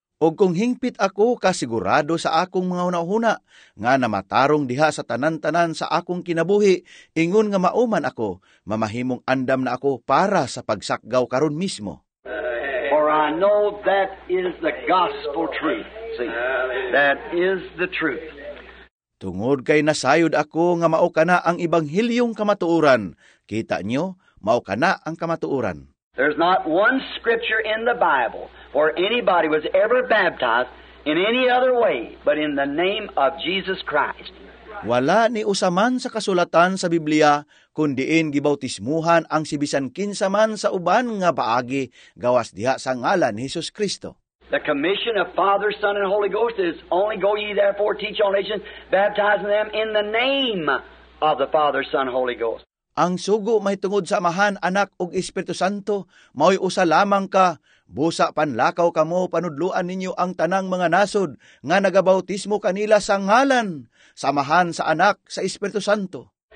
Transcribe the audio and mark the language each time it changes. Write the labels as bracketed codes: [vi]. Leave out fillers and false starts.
[ceb] Og kung hingpit ako kasigurado sa akong mga unahuna, nga namatarong diha sa tanan-tanan sa akong kinabuhi, ingon nga mauman ako, mamahimong andam na ako para sa pagsakgaw karon mismo. [en] For I know that is the gospel truth. See, that is the truth. [ceb] Tungod kay nasayod ako nga mao kana ang ebanghelyong kamatuoran. Kita nyo, mao kana ang kamatuoran. [en] There's not one scripture in the Bible where anybody was ever baptized in any other way but in the name of Jesus Christ. [ceb] Wala ni usaman sa kasulatan sa Biblia kundiin gibautismuhan ang sibisan kinsa man sa uban nga paagi gawas diha sa ngalan ni Hesus Kristo. [en] The commission of Father, Son, and Holy Ghost is only go ye therefore teach all nations, baptizing them in the name of the Father, Son, Holy Ghost. [ceb] Ang sugo may tungod sa Amahan, Anak, ug Espiritu Santo, mao'y usa lamang ka. Busa panlakaw kamo panudluan ninyo ang tanang mga nasod nga nagabautismo kanila sa ngalan samahan sa Anak sa Espiritu Santo.